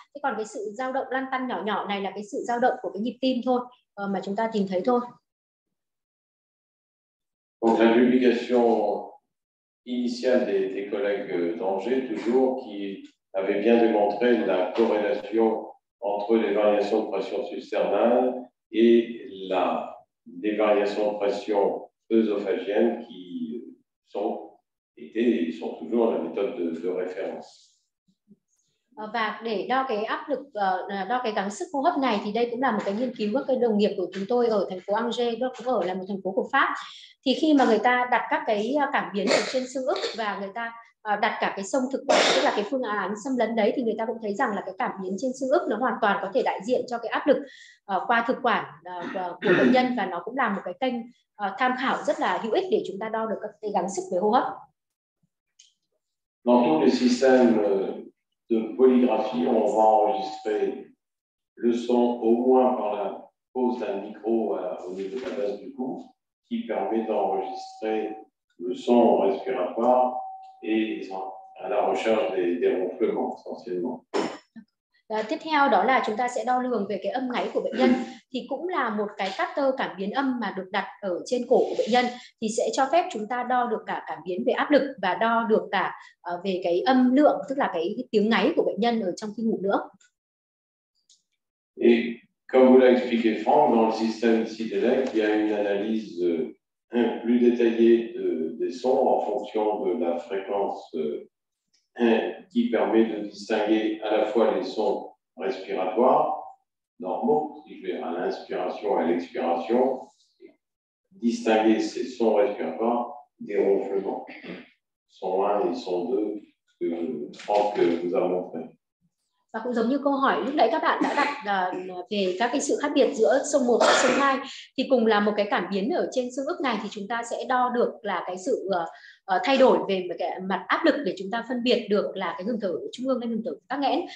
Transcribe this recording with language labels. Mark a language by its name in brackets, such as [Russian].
[Vietnamese] Thế còn cái sự dao động lăn tăn nhỏ nhỏ này là cái sự dao động của cái nhịp tim thôi mà chúng ta tìm thấy thôi. [French] Donc la publication initiale des collègues d'Angers toujours qui avait bien démontré la corrélation entre les variations de pression susternale et les variations de pression œsophagienne qui sont toujours la méthode de référence. [Vietnamese] Và để đo cái áp lực, đo cái gắng sức hô hấp này thì đây cũng là một cái nghiên cứu của cái đồng nghiệp của chúng tôi ở thành phố Angers, cũng ở là một thành phố của Pháp. Thì khi mà người ta đặt các cái cảm biến ở trên xương ức và người ta đặt cả cái sông thực quản, tức là cái phương án xâm lấn đấy, thì người ta cũng thấy rằng là cái cảm biến trên xương ức nó hoàn toàn có thể đại diện cho cái áp lực qua thực quản của bệnh nhân, và nó cũng là một cái kênh tham khảo rất là hữu ích để chúng ta đo được các cái gắng sức về hô hấp. [French] Dans tous les systèmes de polygraphie, on va enregistrer le son au moins par la pose d'un micro au niveau de la base du cou, qui permet d'enregistrer le son respiratoire et à la recherche des ronflements essentiellement. [Vietnamese] Tiếp theo đó là chúng ta sẽ đo lường về cái âm ngáy của bệnh nhân, thì cũng là một cái cutter cảm biến âm mà được đặt ở trên cổ của bệnh nhân, thì sẽ cho phép chúng ta đo được cả cảm biến về áp lực và đo được cả về cái âm lượng, tức là cái tiếng ngáy của bệnh nhân ở trong khi ngủ nữa. [French] Et comme vous l'a expliqué Franck, dans le système CIDELEC, il y a une analyse plus détaillée des sons en fonction de la fréquence qui permet de distinguer à la fois les sons respiratoires normaux, si je vais à l'inspiration et à l'expiration, distinguer ces sons respiratoires des ronflements, son 1 et son 2, que Franck vous a montré. [Vietnamese] Và cũng giống như câu hỏi lúc nãy các bạn đã đặt về các cái sự khác biệt giữa sông 1 và sông 2, thì cùng là một cái cảm biến ở trên xương ức này, thì chúng ta sẽ đo được là cái sự thay đổi về cái mặt áp lực để chúng ta phân biệt được là cái ngừng thở trung ương hay ngừng thở tắc nghẽn.